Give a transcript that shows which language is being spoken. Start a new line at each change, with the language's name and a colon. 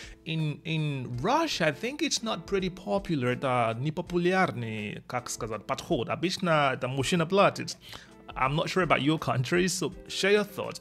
English: In Russia, I think it's not pretty popular.
Russian: Это не популярный, как сказать, подход. Обычно это мужчина платит.
English: I'm not sure about your country, so share your thoughts.